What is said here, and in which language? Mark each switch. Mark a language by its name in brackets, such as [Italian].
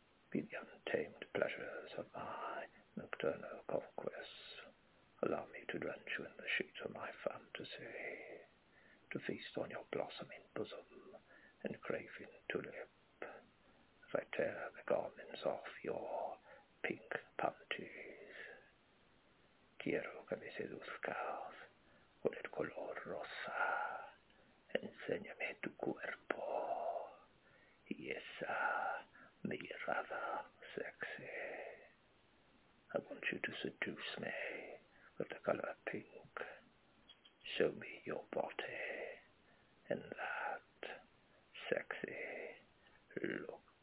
[English] Be the untamed pleasures of my nocturnal conquest. Allow me to drench you in the sheets of my fantasy, to feast on your blossoming bosom and craving tulip, as I tear the garments off your pink panties. [Spanish] Quiero que me seduzcas con el color rosa. Enséñame tu cuerpo y esa mirada sexy. [English] I want you to seduce me with the color pink. Show me your body and that sexy look.